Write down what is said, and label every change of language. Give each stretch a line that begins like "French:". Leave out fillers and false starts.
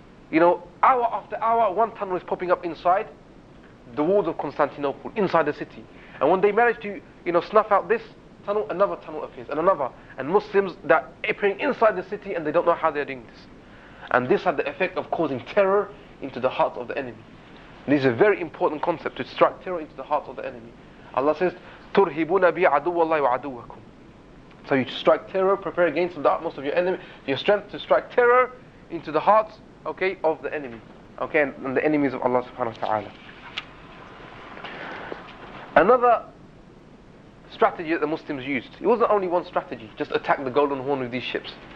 English: you know, hour after hour, one tunnel is popping up inside the walls of Constantinople, inside the city. And when they manage to, you know, snuff out this tunnel, another tunnel appears, and another. And Muslims, that are appearing inside the city, and they don't know how they're doing this. And this had the effect of causing terror into the hearts of the enemy. And this is a very important concept, to strike terror into the hearts of the enemy. Allah says,
Arabic: تُرْهِبُونَ بِي عَدُوَ اللَّهِ وَعَدُوَكُمْ.
English: So you strike terror, prepare against the utmost of your enemy, your strength to strike terror into the hearts, okay, of the enemy. Okay, and the enemies of Allah subhanahu wa ta'ala. Another strategy that the Muslims used, it wasn't only one strategy, just attack the Golden Horn with these ships.